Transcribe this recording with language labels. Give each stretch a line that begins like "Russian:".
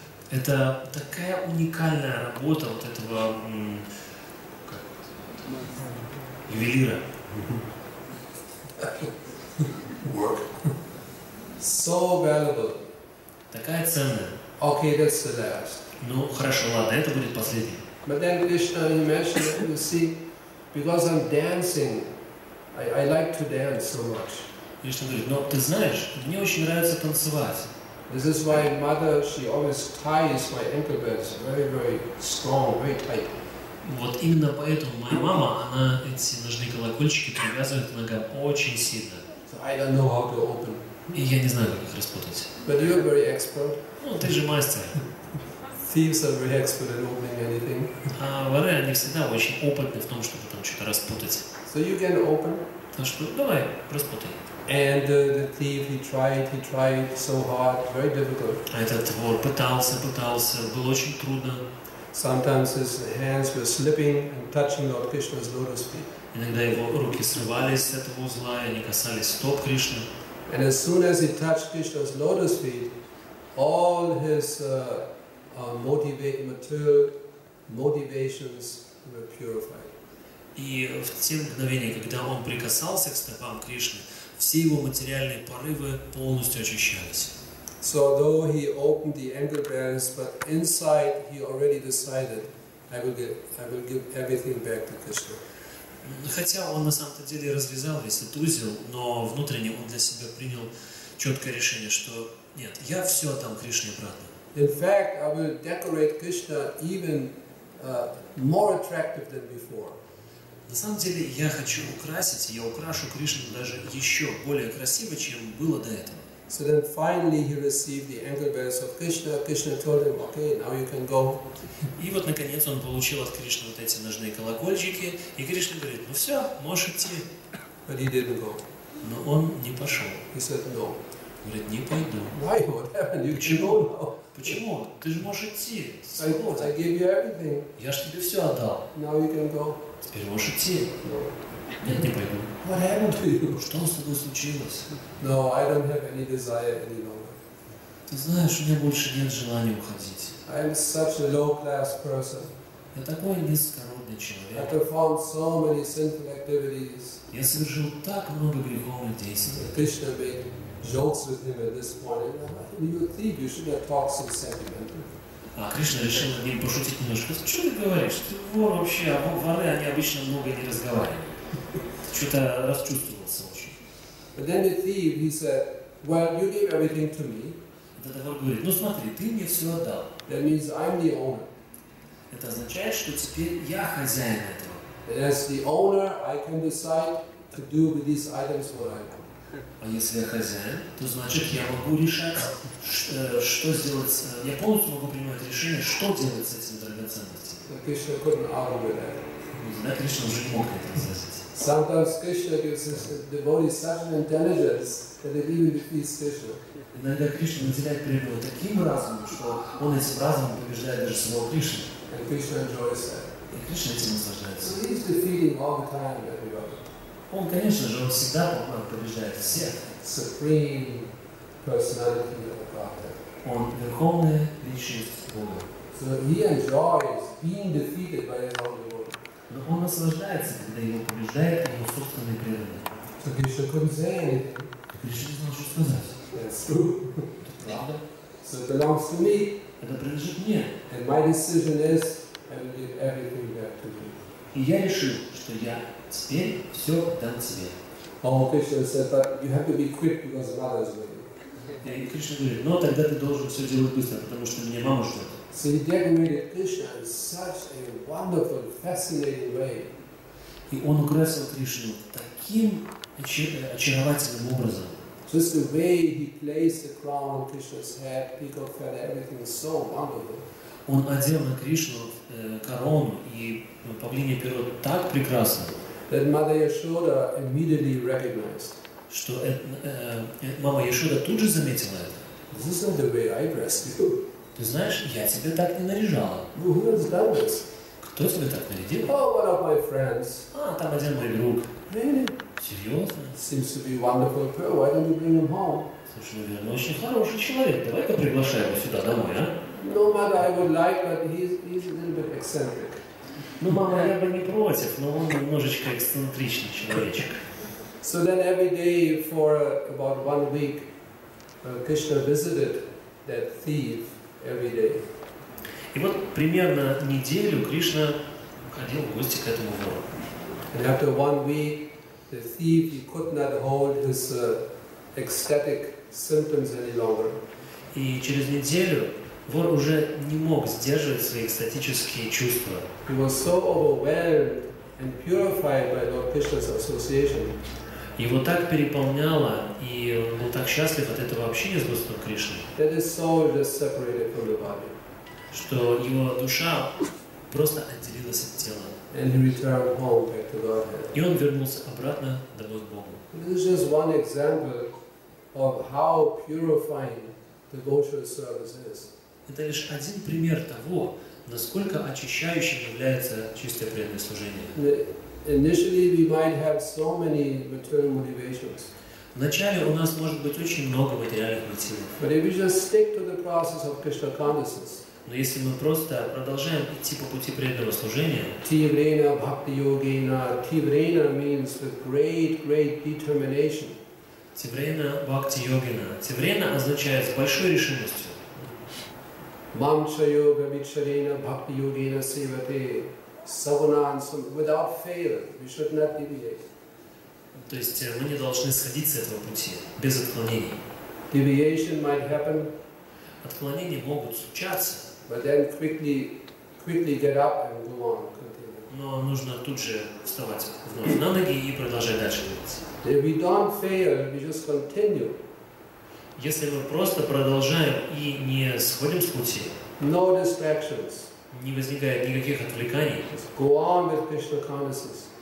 Russian: Это такая уникальная работа вот этого ювелира.
English: Work. So valuable.
Russian: Такая ценная.
English: Okay, that's the last.
Russian: Ну хорошо, ладно, это будет последний.
English: But then Krishna mentioned, you see, because I'm dancing, I like to dance so much.
Russian: Кришна говорит, но ты знаешь, мне очень нравится танцевать.
English: This is why mother, she always ties my ankle bands very, very strong, very tight.
Russian: Вот именно поэтому моя мама, она эти ножные колокольчики привязывает к ногам очень сильно.
English: So I don't know how to open.
Russian: И я не знаю, как их распутать.
English: But you are very expert.
Russian: Ну, ты же мастер.
English: Thieves are very expert at opening anything.
Russian: А воры, они всегда очень опытны в том, чтобы там что-то распутать.
English: So you can open.
Russian: Так что, давай, распутай.
English: And the thief, he tried so hard, very difficult.
Russian: Этот вор пытался, было очень трудно.
English: Sometimes his hands were slipping and touching Lord Krishna's lotus feet.
Russian: Иногда его руки срывались с этого узла, и они касались стоп Кришны.
English: And as soon as he touched Krishna's lotus feet, all his motivations were purified.
Russian: И в те мгновения, когда он прикасался к стопам Кришны, все его материальные порывы полностью очищались.
English: So though he opened the ankle bands, but inside he already decided, I will give everything back to Krishna.
Russian: Хотя он на самом-то деле развязал весь этот узел, но внутренне он для себя принял четкое решение, что нет, я все отдам Кришне обратно.
English: In fact, I will decorate Krishna even more attractive than before.
Russian: На самом деле я хочу украсить, я украшу Кришну даже еще более красиво, чем было до этого.
English: So then finally he received the ankle bands of Krishna. Krishna told him, okay, now you can go.
Russian: И вот наконец он получил от Кришны вот эти ножные колокольчики, и Кришна говорит, ну все, можешь идти.
English: But he didn't go.
Russian: Но он не пошел.
English: He said no.
Russian: Говорит, не пойду.
English: Why? What happened? You can go now.
Russian: Почему? Ты же можешь идти.
English: Вот, I gave you everything.
Russian: Я же тебе все отдал.
English: Now you can go.
Russian: Теперь можешь идти.
English: No.
Russian: Нет, не пойду.
English: What happened to you?
Russian: Что с тобой случилось?
English: No, I don't have any desire anymore.
Russian: Ты знаешь, у меня больше нет желания уходить.
English: I am such a low-class person.
Russian: Я такой низкородный человек.
English: I performed so many sinful activities.
Russian: Я совершил так много греховных действий.
English: Krishna made jokes with him at this point. You think you should have talked so sentimental.
Russian: А Кришна решил над ним пошутить немножко. Что ты говоришь? Ты вор вообще, а воры, они обычно много не разговаривают. Что-то расчувствовался очень.
English: But then the thief, he said, well, you gave everything to me.
Russian: Тогда вор говорит, ну смотри, ты мне все отдал.
English: That means I'm the owner.
Russian: Это означает, что теперь я хозяин этого.
English: And as the owner, I can decide to do with these items what I want.
Russian: А если я хозяин, то значит я могу решать, что сделать, я полностью могу принимать решение, что делать с этим драгоценностью.
English: But Krishna couldn't argue with that.
Russian: Да, Кришна уже не мог это сделать.
English: Sometimes Krishna gives his devotees such an intelligence that they even defeat Krishna.
Russian: Иногда Кришна наделяет преданного таким разумом, что он этим разумом побеждает даже самого Кришну.
English: And Krishna enjoys that.
Russian: И Кришна этим наслаждается.
English: So he's defeating all the time everybody.
Russian: Он, конечно же, он всегда побеждает всех.
English: Supreme personality of Godhead.
Russian: Он верховная личность Бога.
English: So he enjoys being defeated by his own devotees.
Russian: Но он наслаждается, когда его побеждает его собственные преданные.
English: So Krishna couldn't say anything.
Russian: Krishna не знал, что сказать.
English: That's true.
Russian: Это правда.
English: So it belongs to me.
Russian: Это принадлежит мне.
English: And my decision is, I will give everything back to you.
Russian: И я решил, что я теперь все дам тебе.
English: Oh, Krishna said, but you have to be quick because mother is waiting.
Russian: И Кришна говорит, но тогда ты должен все делать быстро, потому что меня мама ждет.
English: So he decorated Krishna in such a wonderful, fascinating way.
Russian: И он украсил Кришну таким очаровательным образом.
English: Just the way he placed the crown on Krishna's head, peacock feather, everything was so wonderful.
Russian: Он одел на Кришну корону и павлинье перо так прекрасно.
English: That Mother Yashoda immediately recognized.
Russian: Что мама Яшода тут же заметила это.
English: This is not the way I dress you.
Russian: Ты знаешь, я тебя так не наряжала.
English: Well, who has done this?
Russian: Кто тебя так нарядил?
English: Oh, one of my friends.
Russian: А, там один мой друг.
English: Really?
Russian: Серьезно?
English: Seems to be a wonderful girl. Why don't you bring him home?
Russian: Слушай, наверное, очень хороший человек. Давай-ка приглашай его сюда домой, а?
English: No, mother, I would like, but he's a little bit eccentric.
Russian: Ну, мама, я бы не против, но он немножечко эксцентричный человечек.
English: So then every day for about one week, Krishna visited that thief. Every day.
Russian: И вот примерно неделю Кришна ходил в гости к этому вору.
English: And after one week, The thief, he could not hold his ecstatic symptoms any longer.
Russian: И через неделю вор уже не мог сдерживать свои экстатические чувства.
English: He was so overwhelmed and purified by Lord Krishna's association.
Russian: Его так переполняло, и он был так счастлив от этого общения с Господом Кришной.
English: That his soul just separated from the body.
Russian: Что его душа просто отделилась от тела.
English: And he returned home back to Godhead.
Russian: И он вернулся обратно домой к Богу.
English: This is just one example of how purifying devotional service is.
Russian: Это лишь один пример того, насколько очищающим является чистое преданное служение.
English: Initially we might have so many material motivations.
Russian: Вначале у нас может быть очень много материальных мотивов.
English: But if we just stick to the process of Krishna consciousness.
Russian: Но если мы просто продолжаем идти по пути преданного служения.
Sanskrit: Tivrena bhakti yogena.
English: Tivrena means with great, great determination.
Sanskrit: Tivrena bhakti yogena.
Russian: Tivrena означает с большой решимостью.
Sanskrit: Mamcha yoga vicharena bhakti yogena sevate.
English: Саванансам, without fail, we should not deviate.
Russian: То есть мы не должны сходить с этого пути, без отклонений.
English: Deviation might happen.
Russian: Отклонения могут случаться.
English: But then quickly get up and go on, continue.
Russian: Но нужно тут же вставать вновь на ноги и продолжать дальше двигаться.
English: If we don't fail, we just continue.
Russian: Если мы просто продолжаем и не сходим с пути.
English: No distractions.
Russian: Не возникает никаких отвлеканий.
English: Go on with Krishna consciousness.